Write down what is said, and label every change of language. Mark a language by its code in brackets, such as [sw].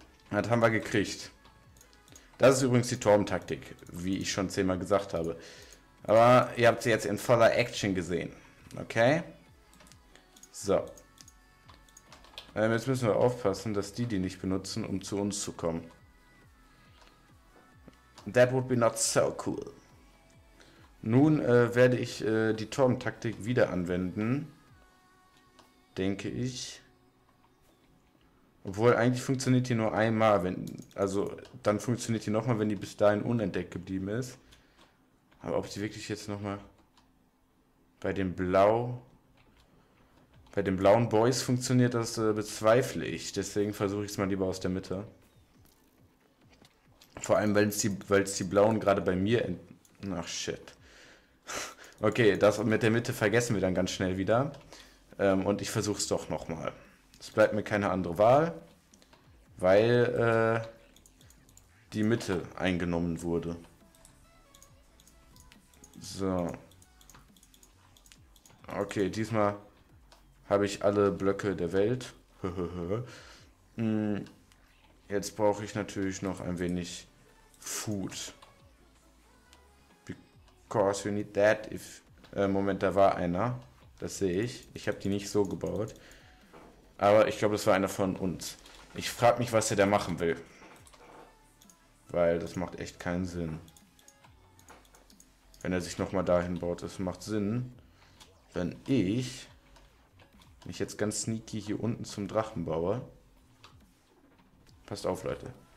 [de] Das haben wir gekriegt. Das ist übrigens die Turmtaktik, wie ich schon 10-mal gesagt habe. Aber ihr habt sie jetzt in voller Action gesehen. Okay? So. Jetzt müssen wir aufpassen, dass die nicht benutzen, um zu uns zu kommen. [en] That would be not so cool. [de] Nun werde ich die Turmtaktik wieder anwenden. Denke ich. Obwohl, eigentlich funktioniert die nur einmal, also dann funktioniert die nochmal, wenn die bis dahin unentdeckt geblieben ist. Aber ob sie wirklich jetzt nochmal bei den blauen Boys funktioniert, das bezweifle ich. Deswegen versuche ich es mal lieber aus der Mitte. Vor allem, weil es die blauen gerade bei mir ach shit. Okay, das mit der Mitte vergessen wir dann ganz schnell wieder. Und ich versuche es doch nochmal. Es bleibt mir keine andere Wahl, weil die Mitte eingenommen wurde. So. Okay, diesmal habe ich alle Blöcke der Welt. Jetzt brauche ich natürlich noch ein wenig Food. [en] Because you need that if. [de] Moment, da war einer. Das sehe ich. Ich habe die nicht so gebaut. Aber ich glaube, das war einer von uns. Ich frage mich, was er da machen will. Weil das macht echt keinen Sinn. Wenn er sich nochmal dahin baut, das macht Sinn. Wenn ich mich jetzt ganz sneaky hier unten zum Drachen baue. Passt auf, Leute.